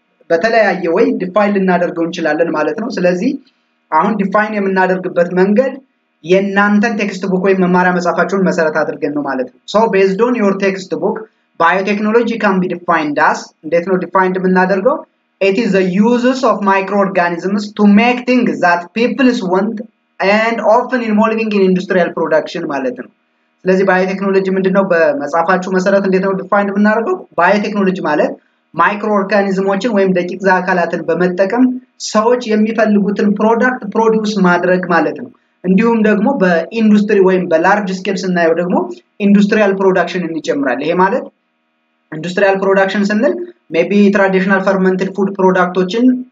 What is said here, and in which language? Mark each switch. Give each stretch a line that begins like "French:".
Amharic: በተለያየ ወይ define እናደርገው እንችላለን ማለት ነው። ስለዚህ አሁን define የምናደርግበት መንገድ የእናንተን textbook ወይም መማሪያ መጻፋችሁን መሰረት አድርገን ነው ማለት ነው።
English: So based on your textbook biotechnology can be defined as
Amharic: እንዴት ነው defined የምናደርገው?
English: It is the uses of microorganisms to make things that people want and often involving in industrial production
Amharic: ማለት ነው። ስለዚህ ባዮቴክኖሎጂ ምንድነው በመጻፋችሁ መሰረት እንዴት ነው ዲፋይንድ ብናደርገው? ባዮቴክኖሎጂ ማለት ማይክሮኦርጋኒዝሞችን ወይም ደቂቅ ዘአካላትን በመጠቀም ሰዎች የሚፈልጉትን ፕሮዳክት ፕሮዲዩስ ማድረግ ማለት ነው። እንዲሁም ደግሞ በኢንዱስትሪ ወይም በላርጅ ስኬል ስናየው ደግሞ ኢንዱስትሪያል ፕሮዳክሽን እንጨምራለን። ይሄ ማለት ኢንዱስትሪያል ፕሮዳክሽን ስንል
English: maybe traditional fermented food productsን